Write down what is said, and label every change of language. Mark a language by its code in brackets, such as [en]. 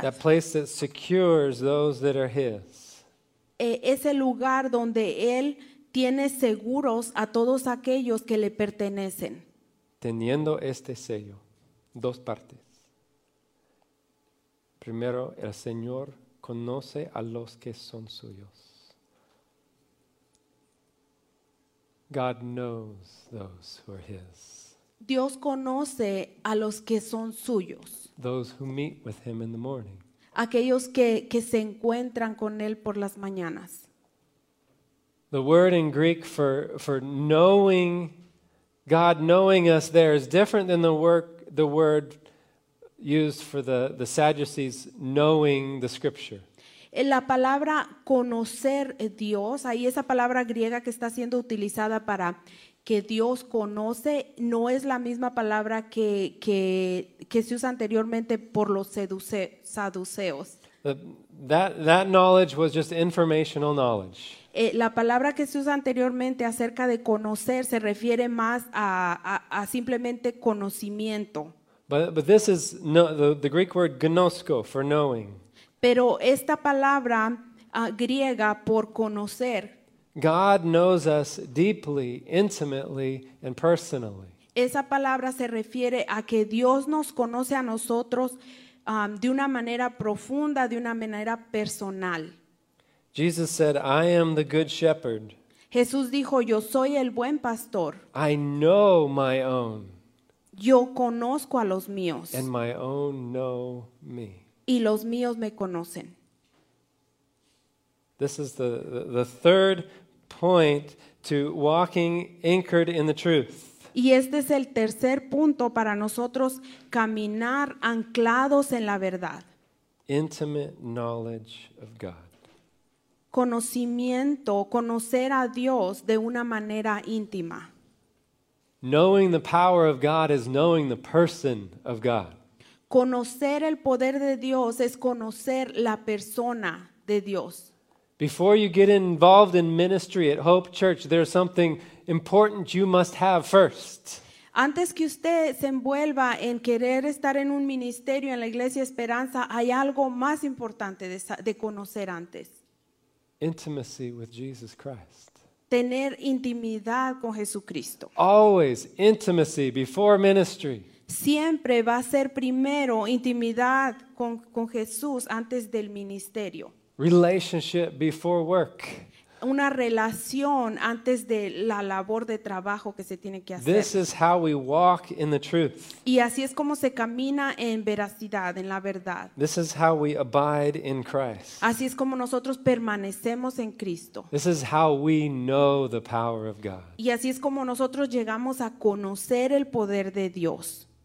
[en] That place that secures those that are his. [es] Es el lugar donde él tiene seguros a todos aquellos que le pertenecen. Teniendo este sello, dos partes. Primero, el Señor conoce a los que son suyos. [en] God knows those who are his. [es] Dios conoce a los que son suyos. [en] Those who meet with him in the morning. [es] Aquellos que se encuentran con él por las mañanas. [en] The word in Greek for knowing God, knowing us there, is different than the word used for the Sadducees knowing the scripture. [es] La palabra conocer Dios, ahí esa palabra griega que está siendo utilizada para que Dios conoce, no es la misma palabra que se usa anteriormente por los saduceos. [en] That knowledge was just informational knowledge. [es] La palabra que se usa anteriormente acerca de conocer se refiere más a simplemente conocimiento. [en] But this is no, the Greek word gnosko, for knowing. [es] Pero esta palabra griega por conocer. [en] God knows us deeply, intimately, and personally. [es] Esa palabra se refiere a que Dios nos conoce a nosotros de una manera profunda, de una manera personal. [en] Jesus said, I am the good shepherd. [es] Jesús dijo, yo soy el buen pastor. [en] I know my own. [es] Yo conozco a los míos. [en] And my own know me. [es] Y los míos me conocen. [en] This is the third point to walking anchored in the truth. [es] Y este es el tercer punto para nosotros caminar anclados en la verdad. [en] Intimate knowledge of God. [es] Conocimiento, conocer a Dios de una manera íntima. [en] Knowing the power of God is knowing the person of God. [es] Conocer el poder de Dios es conocer la persona de Dios. [en] Before you get involved in ministry at Hope Church, there's something important you must have first. [es] Antes que usted se envuelva en querer estar en un ministerio en la Iglesia Esperanza, hay algo más importante de conocer antes. [en] Intimacy with Jesus Christ. [es] Tener intimidad con Jesucristo. [en] Always intimacy before ministry. [es] Siempre va a ser primero intimidad con Jesús antes del ministerio. [en] Relationship before work. [es] Una relación antes de la labor de trabajo que se tiene que hacer. [en] This is how we walk in the truth. [es] Y así es como se camina en veracidad, en la verdad. [en] This is how we abide in Christ. [es] Así es como nosotros permanecemos en Cristo. [en] This is how we know the power of God. [es] Y así es como nosotros llegamos a conocer el poder de Dios.